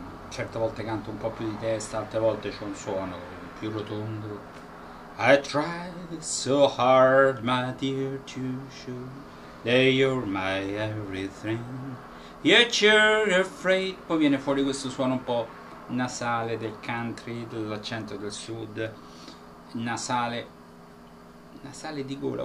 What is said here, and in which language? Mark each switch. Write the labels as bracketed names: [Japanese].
[Italian] Certe volte canto un po' più di testa, altre volte c'è un suono più rotondo. [English] I tried so hard, my dear, to show that you're my everything, yet you're afraid. [Italian] Poi viene fuori questo suono un po' nasale del country, dell'accento del sud, nasale, nasale di gola.